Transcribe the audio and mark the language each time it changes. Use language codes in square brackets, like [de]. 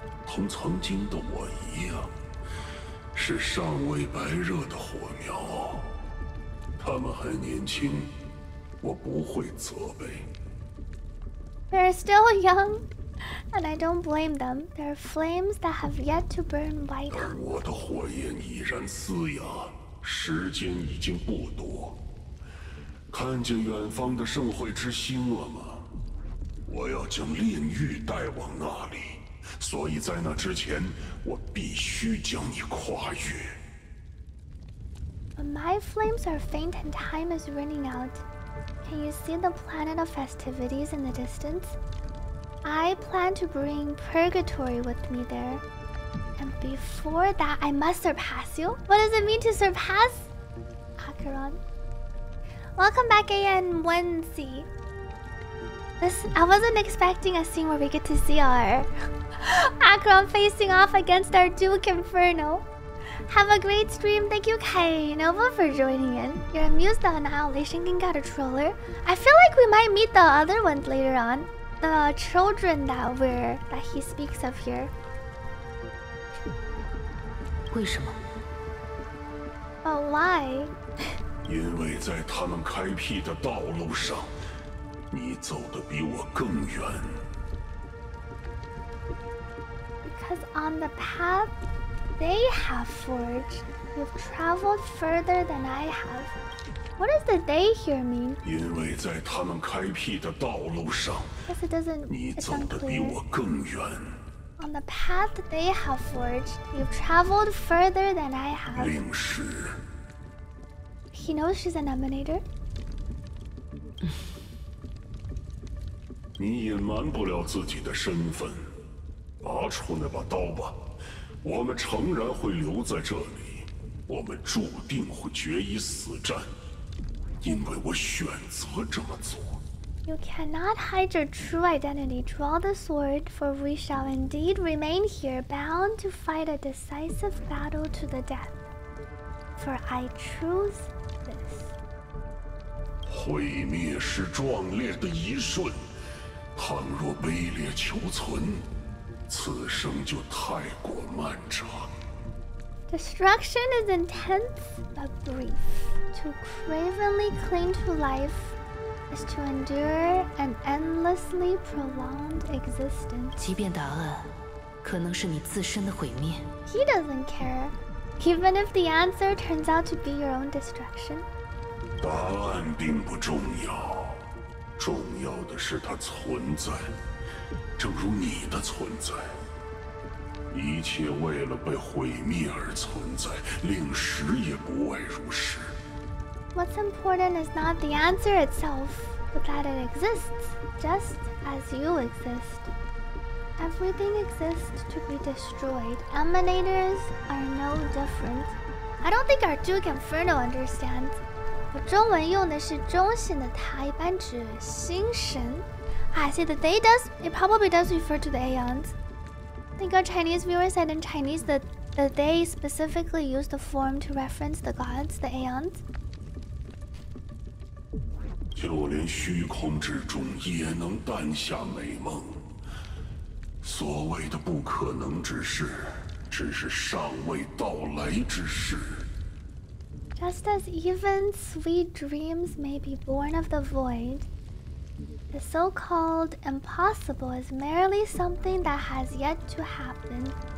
[zh] 同曾经的我一样，是尚未白热的火苗。他们还年轻，我不会责备。 [en] They're still young, and I don't blame them. There are flames that have yet to burn white. [zh] 而我的火焰已然嘶哑。时间已经不多，看见远方的盛会之星了吗？我要将炼狱带往那里，所以在那之前，我必须将你跨越。 [en] But my flames are faint and time is running out. Can you see the planet of festivities in the distance? I plan to bring purgatory with me there. And before that, I must surpass you? What does it mean to surpass? Acheron. Welcome back, A&1Z. I wasn't expecting a scene where we get to see our Acheron facing off against our Duke Inferno. Have a great stream. Thank you, Kainova, for joining in. You're amused the Annihilation King got a troller. I feel like we might meet the other ones later on. The children that he speaks of here. [zh] 为什么 [en] But why? [zh] 因为在他们开辟的道路上，你走得比我更远。 [en] Because on the path they have forged, you've traveled further than I have. What does the they here mean? [zh] 因为在他们开辟的道路上，你走得比我更远。 [en] On the path they have forged, you've traveled further than I have. [zh] 灵师。 [en] He knows she's an emanator. [zh] 你隐瞒不了自己的身份。拔出那把刀吧，我们诚然会留在这里。我们注定会决一死战，因为我选择这么做。 [en] You cannot hide your true identity. Draw the sword, for we shall indeed remain here, bound to fight a decisive battle to the death. For I choose this. [zh] 毁灭是壮烈的一瞬，倘若卑劣求存，此生就太过漫长。 [en] Destruction is intense but brief. To cravenly cling to life is to endure an endlessly prolonged existence. [zh] 即便答案可能是你自身的毁灭。 [en] He doesn't care, even if the answer turns out to be your own destruction. [zh] 答案并不重要，重要的是它存在，正如你的存在。一切为了被毁灭而存在，令时也不外如是。 [en] What's important is not the answer itself, but that it exists, just as you exist. Everything exists to be destroyed. Emanators are no different. I don't think our Duke Inferno understands. [zh] 我中文用的是中心的他，一般指心神。 [en] I see that they does, it probably does refer to the aeons. I think our Chinese viewers said in Chinese that the they specifically use the form to reference the gods, the aeons. [zh] 就连虚空之中也能诞下美梦。所谓的不可能之事，只是尚未到来之事。 [en] Just as even sweet dreams may be born of the void,The so-called impossible is merely something that has yet to happen.